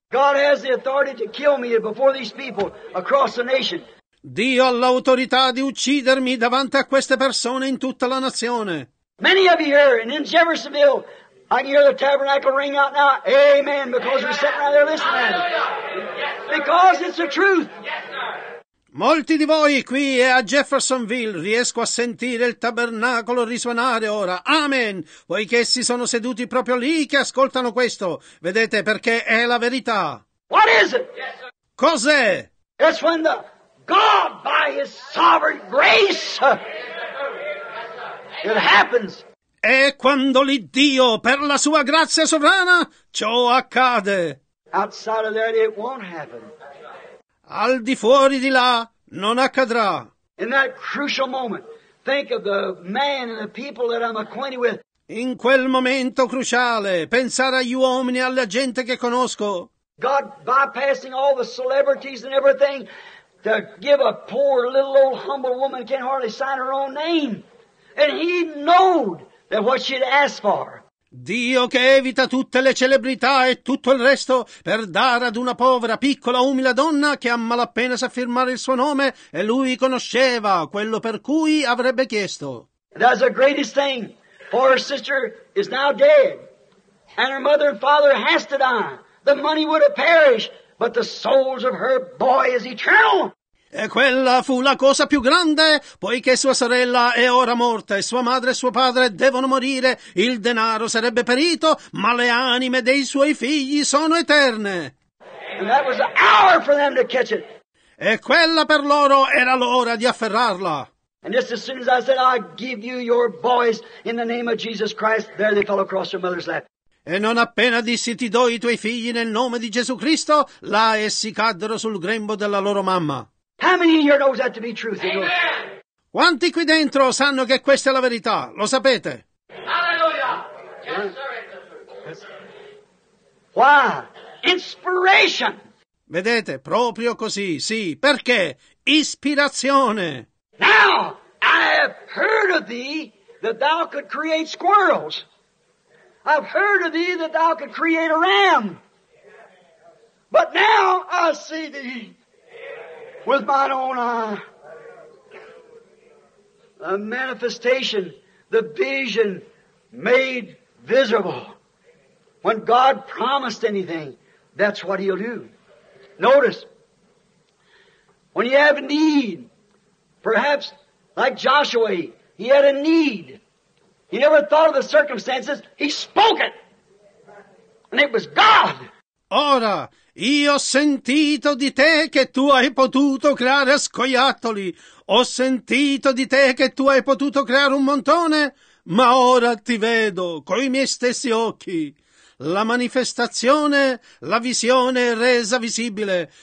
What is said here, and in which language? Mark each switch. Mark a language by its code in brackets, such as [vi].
[en] God has the authority to kill me before these people across the nation. [it] Dio ha l'autorità di uccidermi davanti a queste persone in tutta la nazione. [en] Many of you here, and in Jeffersonville, I can hear the tabernacle ring out now, amen, because amen. We're sitting right there listening. Hallelujah. At it. Yes, sir. Because it's the truth. Yes, sir. [it] Molti di voi qui e a Jeffersonville riesco a sentire il tabernacolo risuonare ora, amen, poiché essi sono seduti proprio lì che ascoltano questo, vedete, perché è la verità. [en] What is it? Yes, sir. [it] Cos'è? [en] It's when the God, by His sovereign grace... It happens. [it] E quando l'Iddio, per la sua grazia sovrana, ciò accade. [en] Outside of that, it won't happen. [it] Al di fuori di là, non accadrà. [en] In that crucial moment, think of the man and the people that I'm acquainted with. [it] In quel momento cruciale, pensare agli uomini e alla gente che conosco. [en] God bypassing all the celebrities and everything to give a poor little old humble woman can't hardly sign her own name. And he knowed that what she'd asked for. [it] Dio che evita tutte le celebrità e tutto il resto per dare ad una povera, piccola, umile donna che a malapena sa firmare il suo nome e lui conosceva quello per cui avrebbe chiesto. [en] That's the greatest thing. For her sister is now dead. And her mother and father has to die. The money would have perished, but the souls of her boy is eternal. [it] E quella fu la cosa più grande, poiché sua sorella è ora morta e sua madre e suo padre devono morire. Il denaro sarebbe perito, ma le anime dei suoi figli sono eterne. [en] And that was the hour for them to catch it. [it] E quella per loro era l'ora di afferrarla. [en] And just as soon as I said, I give you your boys in the name of Jesus Christ, there they fell across your mother's lap. [it] E non appena dissi ti do i tuoi figli nel nome di Gesù Cristo, là essi caddero sul grembo della loro mamma. [en] How many in here knows that to be truth? Amen. [it] Quanti qui dentro sanno che questa è la verità? Lo sapete? [en] Hallelujah! Yes, sir. Yes. Wow! Inspiration! [it] Vedete, proprio così, sì. Perché? Ispirazione! [en] Now, I have heard of thee that thou could create squirrels. I've heard of thee that thou could create a ram. But now I see thee with mine own eye. A manifestation, the vision made visible. When God promised anything, that's what he'll do. Notice, when you have a need, perhaps like Joshua, he had a need. He never thought of the circumstances. He spoke it. And it was God. [it] Ora, io ho sentito di te che tu hai potuto creare scoiattoli. Ho sentito di te che tu hai potuto creare un montone. Ma ora ti vedo coi miei stessi occhi. La manifestazione, la visione è resa visibile.